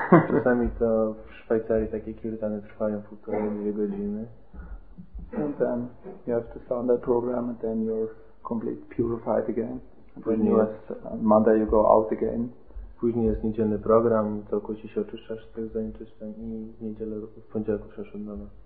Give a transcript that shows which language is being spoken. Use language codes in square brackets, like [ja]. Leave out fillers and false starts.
[pl] Czasami to w Szwajcarii takie kirtany trwają półtorej, dwie godziny. [en] And then you have to start that program and then you're completely purified again. Monday you go out again. [pl] Później jest niedzielny program, to kości się oczyszczasz z tych zanieczyszczeń i w niedzielę w poniedziałek ruszasz od nowa.